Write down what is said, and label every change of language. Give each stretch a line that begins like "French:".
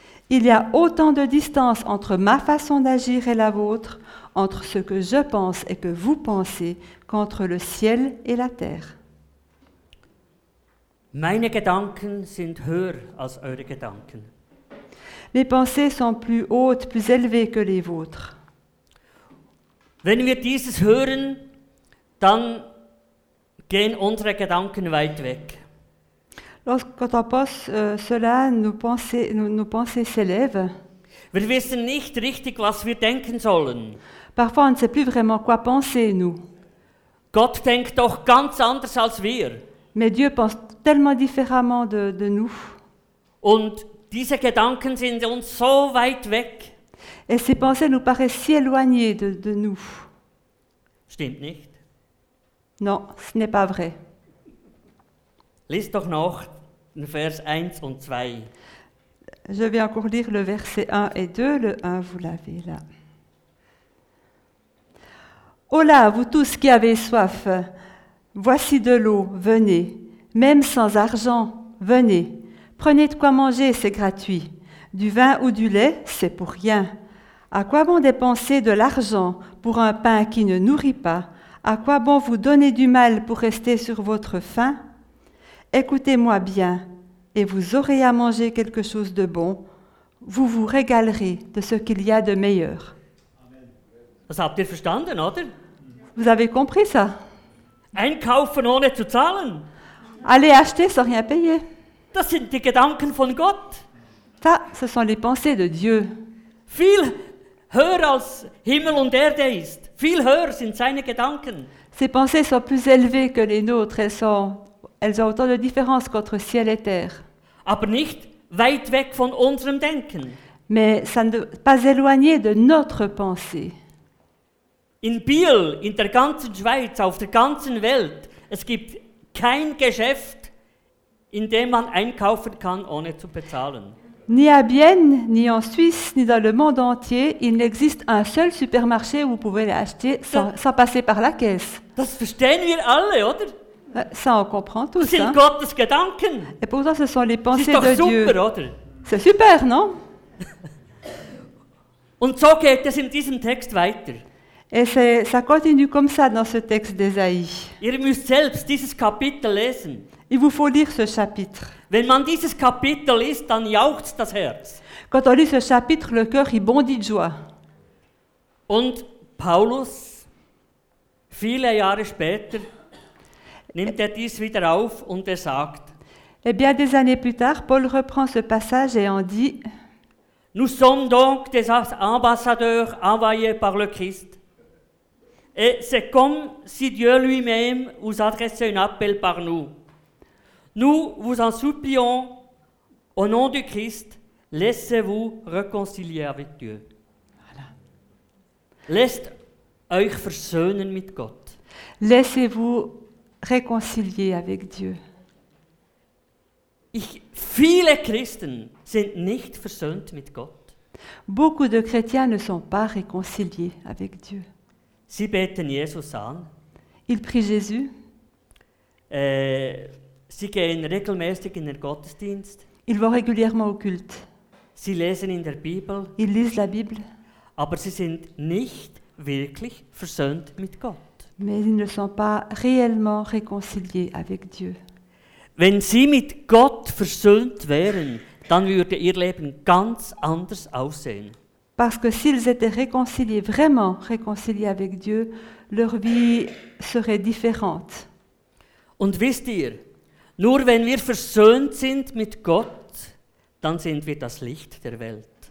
French: Il y a autant de distance entre ma façon d'agir et la vôtre, entre ce que je pense et que vous pensez, qu'entre le ciel et la terre. »
German: Meine Gedanken sind höher als eure Gedanken.
French: Mes pensées sont plus hautes, plus élevées que les vôtres.
German: Wenn wir dieses hören, dann gehen unsere Gedanken weit weg.
French: Quand on pense cela, nos pensées s'élèvent.
German: Wir wissen nicht richtig, was wir denken sollen.
French: Parfois, on ne sait plus vraiment quoi penser, nous.
German: Gott denkt doch ganz anders als wir.
French: Mais Dieu pense tellement différemment de nous.
German: Und diese Gedanken sind uns so weit weg.
French: Et ces pensées nous paraissent si éloignées de nous.
German: Stimmt nicht.
French: Non, ce n'est pas vrai.
German: Lies doch noch Vers 1 und 2.
French: Je vais encore lire le verset 1 et 2. Le 1, vous l'avez là. Hola, vous tous qui avez soif, voici de l'eau, venez. Même sans argent, venez. Prenez de quoi manger, c'est gratuit. Du vin ou du lait, c'est pour rien. À quoi bon dépenser de l'argent pour un pain qui ne nourrit pas? À quoi bon vous donner du mal pour rester sur votre faim? Écoutez-moi bien, et vous aurez à manger quelque chose de bon. Vous vous régalerez de ce qu'il y a de meilleur.
German: Das habt ihr verstanden, oder?
French: Vous avez compris ça?
German: Einkaufen ohne zu zahlen.
French: Aller acheter sans rien payer.
German: Das sind die Gedanken von Gott.
French: Ça, ce sont les pensées de Dieu.
German: Viel höher als Himmel und Erde ist. Viel höher sind seine Gedanken.
French: Ses pensées sont plus élevées que les nôtres. Elles ont autant de différence qu'entre ciel et terre.
German: Aber nicht weit weg von unserem Denken.
French: Mais ça ne pas éloigné de notre pensée.
German: In Biel, in der ganzen Schweiz, auf der ganzen Welt, es gibt kein Geschäft, in dem man einkaufen kann, ohne zu bezahlen.
French: Ni à Bienne, ni en Suisse, ni dans le monde entier, il n'existe un seul supermarché où vous pouvez l'acheter sans passer par la caisse.
German: Das verstehen wir alle, oder?
French: Ça, on comprend tous.
German: Das sind hein? Gottes Gedanken.
French: Et pourtant, ce sont les pensées de Dieu. C'est super, oder? C'est super, non?
German: Und so geht es in diesem Text weiter.
French: Et ça continue comme ça dans ce texte d'Ésaïe.
German: Ihr müsst selbst dieses Kapitel lesen.
French: Il vous faut lire ce chapitre.
German: Wenn man dieses Kapitel liest, dann jaucht das Herz.
French: Quand on lit ce chapitre, le cœur il bondit de joie.
German: Und Paulus, viele Jahre später, nimmt er dies wieder auf und er sagt.
French: Et bien des années plus tard, Paul reprend ce passage et en dit. Nous sommes donc des ambassadeurs envoyés par le Christ. Et c'est comme si Dieu lui-même vous adressait un appel par nous. Nous vous en supplions, au nom du Christ, laissez-vous réconcilier avec Dieu. Voilà.
German: Lasst euch versöhnen mit Gott.
French: Laissez-vous réconcilier avec Dieu.
German: Viele Christen sind nicht versöhnt mit Gott.
French: Beaucoup de chrétiens ne sont pas réconciliés avec Dieu.
German: Sie beten Jesus an.
French: Ils prient Jésus.
German: Sie gehen regelmäßig in den Gottesdienst.
French: Ils vont régulièrement au culte.
German: Sie lesen in der Bibel.
French: Ils lisent la Bible.
German: Aber sie sind nicht wirklich versöhnt mit Gott.
French: Mais ils ne sont pas réellement réconciliés avec Dieu.
German: Wenn sie mit Gott versöhnt wären, dann würde ihr Leben ganz anders aussehen.
French: Parce que s'ils étaient réconciliés, vraiment réconciliés avec Dieu, leur vie serait différente.
German: Und wisst ihr, nur wenn wir versöhnt sind mit Gott, dann sind wir das Licht der Welt.